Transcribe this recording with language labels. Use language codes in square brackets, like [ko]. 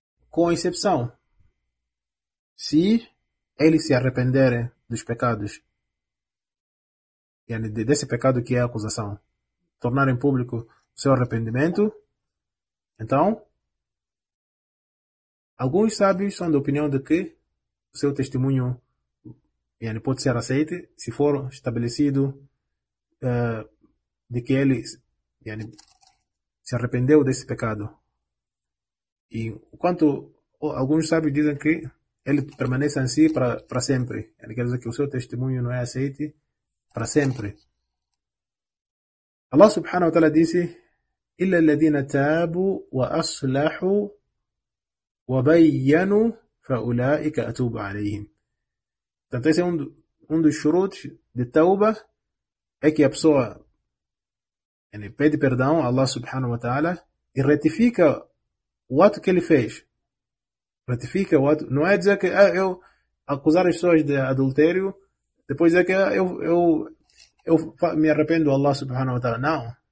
[pt] Com exceção, se eles se arrependerem dos pecados, desse pecado que é a acusação, tornar em público o seu arrependimento, então, alguns sábios são da opinião de que o seu testemunho pode ser aceito se for estabelecido de que ele se arrependeu desse pecado. E quanto alguns sábios dizem que ele permanece em si para sempre. Ele quer dizer que o seu testemunho não é aceito para sempre. Allah subhanahu wa ta'ala disse: [ar] إِلَّا الَّذِينَ تَابُوا وَأَصْلَحُوا وَبَيَّنُوا فَأُولَٰئِكَ أَتُوبُ عَلَيْهِمْ. [pt] Portanto, esse é um dos shurutos de tauba, é que a pessoa pede perdão a Allah subhanahu wa ta'ala e retifica o ato que ele fez. Não é dizer que eu acusar as pessoas de adultério, depois dizer que eu me arrependo a Allah subhanahu wa ta'ala. Não.